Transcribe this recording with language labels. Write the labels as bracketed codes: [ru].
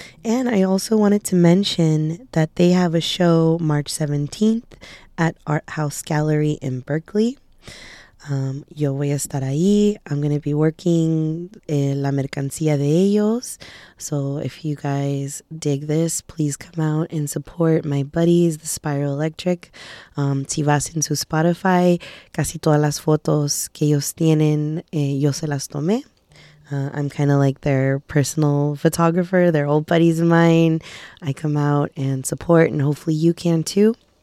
[en] And I also wanted to mention that they have a show March 17th at Art House Gallery in Berkeley. [es] Yo voy a estar ahí. [en] I'm going to be working [es] la mercancía de ellos. [en] So if you guys dig this, please come out and support my buddies, The Spiral Electric. [es] Si vas en su Spotify, casi todas las fotos que ellos tienen, yo se las tomé. [en] I'm kind of like their personal photographer. They're old buddies of mine. I come out and support, and hopefully you can too.